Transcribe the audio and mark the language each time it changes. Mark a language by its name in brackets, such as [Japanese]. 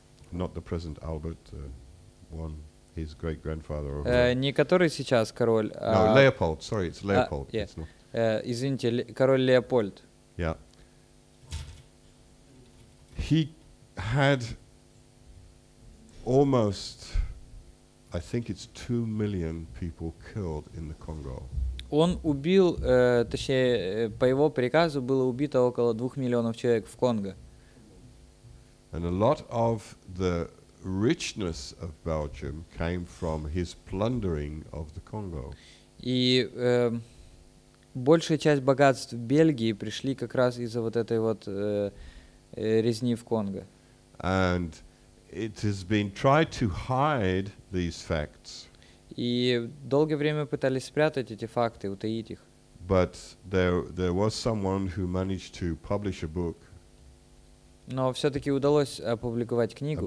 [English] Not the present Albert, one his great grandfather. [Russian] Не который сейчас король. [English] No, Leopold. Sorry, it's Leopold. Yeah. It's not. [Russian] Извините, король Леопольд. [English] Yeah. He had almost, I think it's 2 million people killed in the Congo. [Russian] Он убил, точнее, по его приказу было убито около 2 миллионов человек в Конго. [English] And a lot of the richness of Belgium came from his plundering of the Congo. [Russian] И большая часть богатств Бельгии пришли как раз из-за вот этой вот резни в Конго. [English] And it has been tried to hide these facts. [Russian] И долгое время пытались спрятать эти факты, утаить их. [English] But there was someone who managed to publish a book. [Russian] Но все-таки удалось опубликовать книгу